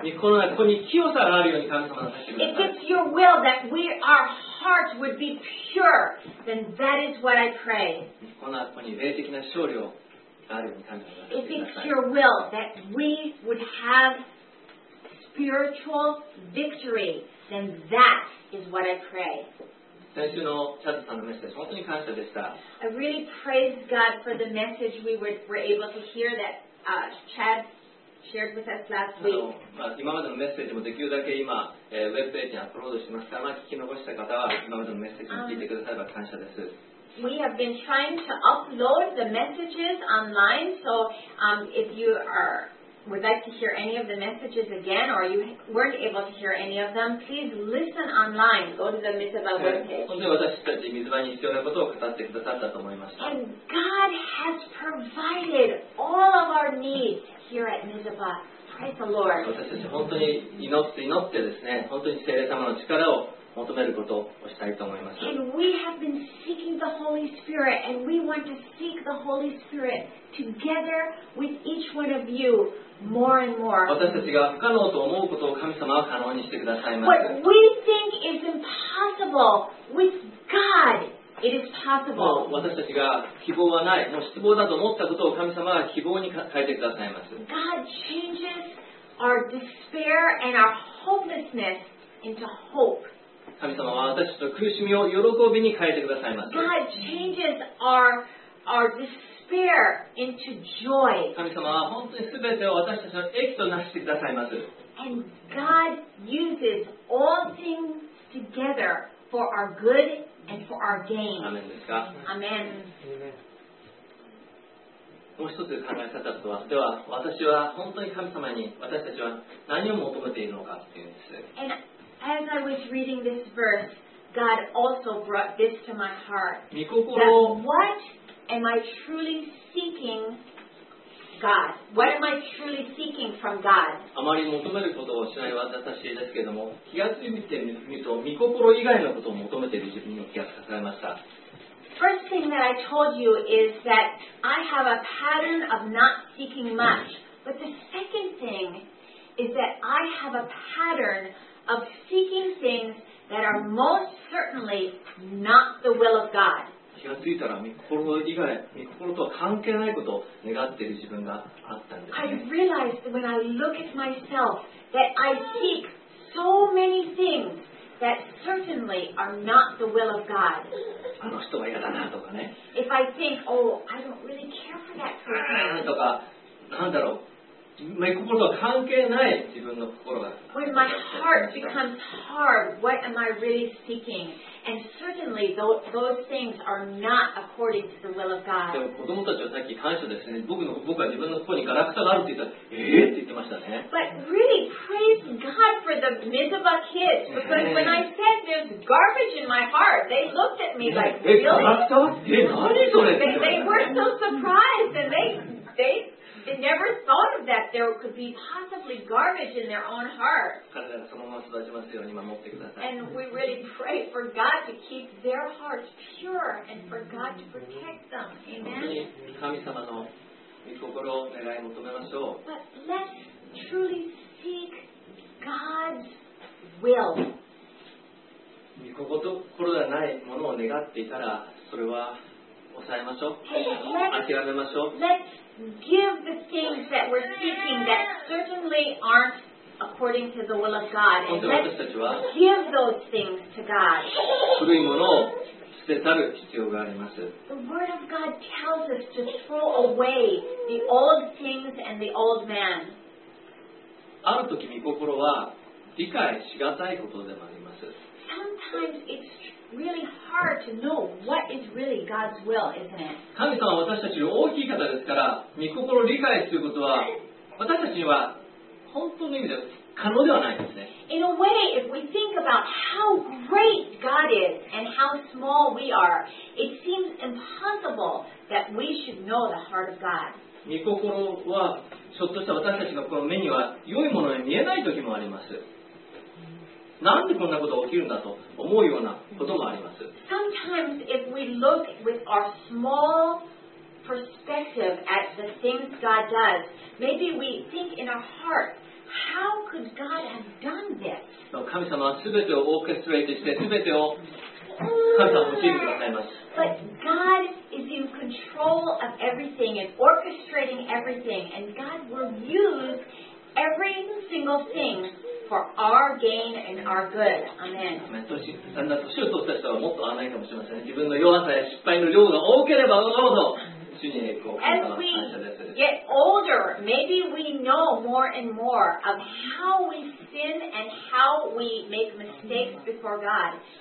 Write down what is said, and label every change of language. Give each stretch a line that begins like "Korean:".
English: If it's your will that we, our hearts would be pure, then that is what I pray. If it's your will that we would have spiritual victory, then that is what I pray.
Japanese: 先週のチャズさんのメッセージ本当に感謝でした。
English: I really praise God for the message we were able to hear that Chad shared with us last week.
Japanese: 今までのメッセージもできるだけ今、ウェブページにアップロードしてますから、聞き残した方は今までのメッセージを聞いてくだされば感謝です。
English: We have been trying to upload the messages online, so if you areWould like to hear any of the messages again, or you weren't able to hear any of them, please listen online. Go to the Mizuba webpage. And God has provided all of our needs here at Mizuba. Praise the Lord.
Japanese: 私たち本当に祈って祈ってですね、本当に聖霊様の力を求めることをしたいと思います。
English: And we have been seeking the Holy Spirit, and we want to seek the Holy Spirit together with each one of you. More and more.
Japanese: 私たちが不可能と思うことを神様は可能にしてくださいます。
English: What we think is impossible with God, it is possible.
Japanese: 私たちが希望はない、もう失望だと思ったことを神様は希望に変えてくださいます。
English: God changes our despair and our hopelessness into hope.
Japanese: 神様は私たちの苦しみを喜びに変えてくださいます。
English: God changes our despair. Fear into joy.
Japanese: 神様は本当にすべてを私たちの益となしてくださいます。
English: And God uses all things together for our good and for our gain.
Japanese: アメンですか。アメン。もう一つ考え方とは、では私は本当に神様に私たちは何を求めているのかっていうんです。
English: And as I was reading this verse, God also brought this to my heart.
Japanese: 御心を。
English: That what? Am I truly seeking God? What am I truly seeking from God?
Japanese: あまり求めることをしない私ですけれども、気がついてみると、御心以外のことを求めている自分に気がつかされました。
English: First thing that I told you is that I have a pattern of not seeking much. But the second thing is that I have a pattern of seeking things that are most certainly not the will of God.
Japanese: 気がついたら御心とは関係ないことを願っている自分があったんです、ね、
English: I realized when I look at myself that I seek so many things that certainly are not the will of God.
Japanese: あの人は嫌だなとかね。
English: If I think, oh, I don't really care for that person.
Japanese: とか、なんだろう、御心とは関係ない自分の心が。
English: When my heart becomes hard, what am I really seeking? And certainly those things are not according to the will of God.
Japanese: でも子供たちはさっき感謝ですね。僕は自分の心にガラクタがあるって言ったら、って言ってましたね。
English: But really praise God for the Mizuba kids. Because when I said there's garbage in my heart, they looked at me like, really?
Japanese: ガラクタ？何それって
English: They were so surprised and they never thought of that there could be possibly garbage in their own heart. And we really pray for God to keep their hearts pure and for God to protect them. Amen.
Japanese: 神様の御心を願い求めましょう。
English: But let's truly seek God's will.
Japanese: 御心ではないものを願っていたら、それは抑えましょう。諦めましょう。
English: Let's give the things that we're seeking that certainly aren't according to the will of God. And let's give those things to God.
Japanese: 古いものを捨て去る必要があります。
English: The word of God tells us to throw away the old things and the old man.
Japanese: ある時御心は理解しがたいことでもあります。
English: Sometimes it's really hard to know what is really God's will, isn't it?
Japanese: 神様は私たちの大きい方ですから、御心を理解することは私たちには本当の意味では可能ではないですね。
English: In a way, if we think about how great God is and how small we are, it seems impossible that we should know the heart of God.
Japanese: 御心はちょっとした私たちのこの目には良いものに見えない時もあります。なんでこんなことが起きるんだと思うようなこともあります。
English: Sometimes if we look with our small perspective at the things God does, maybe we think in our heart, how could God have done this?
Japanese: 神様はすべてをオーケストレートしてすべてを神様は用いてくださいます。
English: But God is in control of everything and orchestrating everything, and God will use every single thing. For our gain and our good. Amen. As we get older, maybe we know more and more of how we sin and how we make mistakes before God.